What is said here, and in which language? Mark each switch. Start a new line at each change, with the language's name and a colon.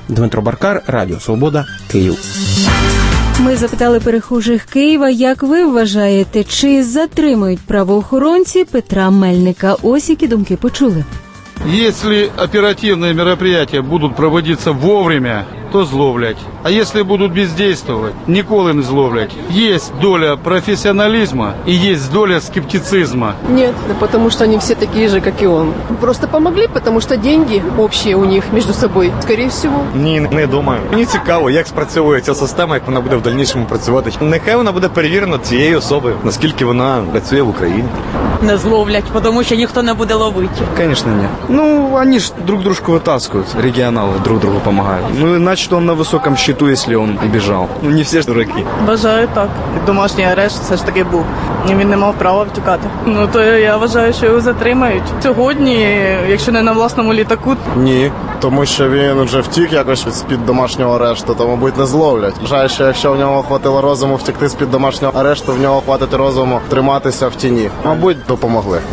Ukrainian: Дмитро Баркар, Радіо Свобода, Київ. Ми запитали перехожих Києва, як ви вважаєте, чи затримують правоохоронці Петра Мельника? Ось які думки почули. Якщо оперативні мероприятия будуть проводитися вовремя, то зловлять.
Russian: А если будут бездействовать, никого не зловлять. Есть доля профессионализма и есть доля скептицизма. Нет, потому что они все такие же, как и он. Просто помогли, потому что деньги общие у них между собой, скорее всего.
Ukrainian: Ні, не думаю. Мені цікаво, як спрацьовує ця система, як вона буде в дальнішому працювати. Нехай вона буде перевірена цією особою, наскільки вона працює в Україні. Не зловлять, потому що ніхто не буде ловити. Звісно, ні. Ну, вони ж друг дружку витаскують, регіонали друг другу допомагають.
Russian: Ну, значит, он на высоком счету, если он убежал. Ну, не все ж дураки.
Ukrainian: Вважаю так. Домашній арешт все ж таки був. Він не мав права втікати. Ну, то я вважаю, що його затримають. Сьогодні, якщо не на власному літаку. Ні, тому що він вже втік якось з-під домашнього арешту, то, мабуть, не зловлять. Вважаю, що якщо в нього хватило розуму втекти з-під домашнього арешту, в нього хватить розуму триматися в тіні. Мабуть, допомогли.